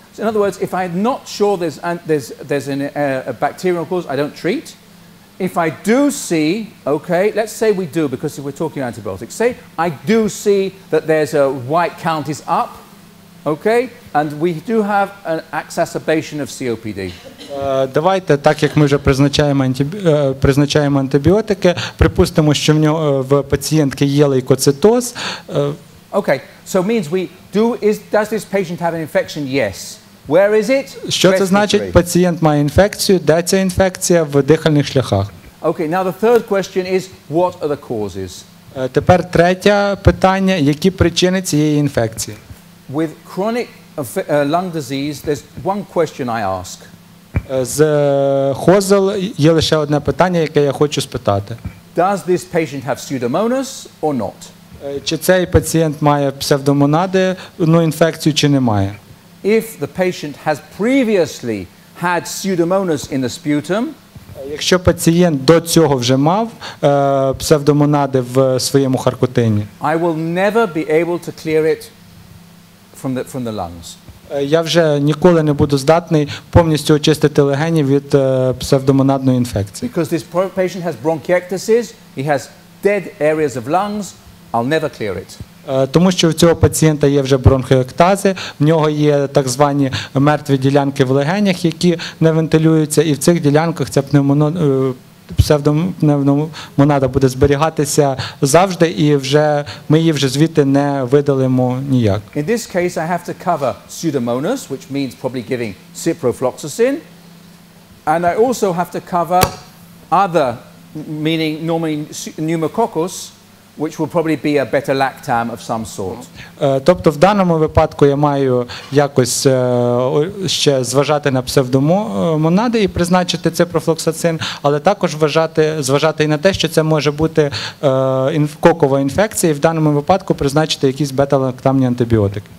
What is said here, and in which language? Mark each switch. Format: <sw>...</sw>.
<en>So in other words, if I'm not sure there's a bacterial cause, I don't treat. If I do see, okay, let's say we do, because if we're talking antibiotics, say I do see that there's a white count is up, okay, and we do have an exacerbation of COPD.</en> <uk>Давайте, так як ми вже призначаємо антибіотики, припустимо, що в нього в пацієнтки є лейкоцитоз.</uk> <en>Okay, so means we do is does this patient have an infection? Yes. Where is it?</en> <uk>Що це значить? Пацієнт має інфекцію. Де ця інфекція? В дихальних шляхах.</uk> <en>Okay, now the third question is what are the causes?</en> <uk>Тепер третє питання, які причини цієї інфекції?</uk> <en>With chronic lung disease, there's one question I ask.</en> <uk>З ХОЗЛ є лише одне питання, яке я хочу спитати.</uk> <en>Does this patient have pseudomonas or not?</en> <uk>Чи цей пацієнт має псевдомонади, інфекцію чи немає?</uk> <en>If the patient has previously had pseudomonas in the sputum,</en> <uk>якщо пацієнт до цього вже мав псевдомонади в своєму харкотині,</uk> <en>I will never be able to clear it from the lungs.</en> <uk>Я вже ніколи не буду здатний повністю очистити легені від псевдомонадної інфекції.</uk> <en>Because this patient has bronchiectasis, he has dead areas of lungs, I'll never clear it.</en> <uk>Тому що у цього пацієнта є вже бронхіектази, в нього є так звані мертві ділянки в легенях, які не вентилюються, і в цих ділянках ця псевдомонада буде зберігатися завжди, і вже ми її вже звідти не видалимо ніяк.</uk> <en>In this case, I have to cover pseudomonas, which means probably giving ciprofloxacin, and I also have to cover other, meaning normally pneumococcus, which will probably be a better lactam of some sort.</en> <uk>Тобто в даному випадку я маю якось ще зважати на псевдомонади і призначити ципрофлоксацин, але також зважати і на те, що це може бути кокова інфекція, і в даному випадку призначити якісь бета-лактамні антибіотики.</uk>